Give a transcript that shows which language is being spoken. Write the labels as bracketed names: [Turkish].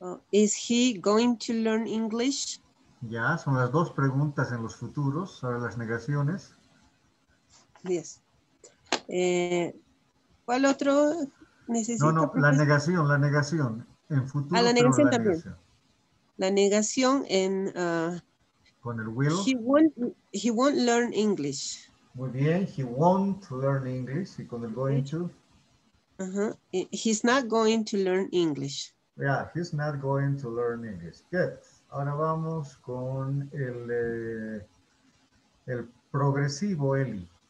[English] Is he going to learn English? [Spanish] Ya, son las dos preguntas en los futuros, ahora las negaciones. [English] Yes. [Spanish] ¿Cuál otro necesita? No, profesor? La negación. En futuro. A la negación la también. Negación. La negación en... con el will. [English] He won't learn English. [Spanish] Muy bien, [English] he won't learn English. [Spanish] Y con el going to. [English] He's not going to learn English. Yeah, he's not going to learn English. Good. [Spanish] Ahora vamos con el progresivo, Eli.